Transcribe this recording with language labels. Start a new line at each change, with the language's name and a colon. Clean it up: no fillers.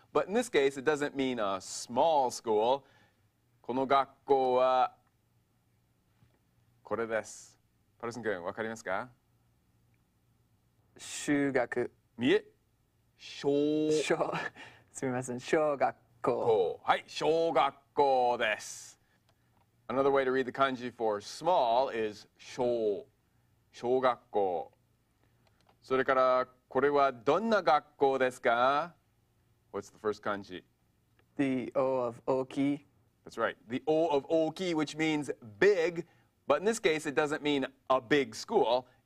English: But in this case, it doesn't mean a small school.
Japanese: この学校はこれです。パルスン君、わかりますか？修学。見え。小すみません、小学校。はい、小学校です。
English: Another way to read the kanji for small is 小。
Japanese: 小学校。それから、これはどんな学校ですか？
English: What's the first kanji? The O of 大きい。 That's right. The O of 大きい, which means big, but in this case it doesn't mean a big school.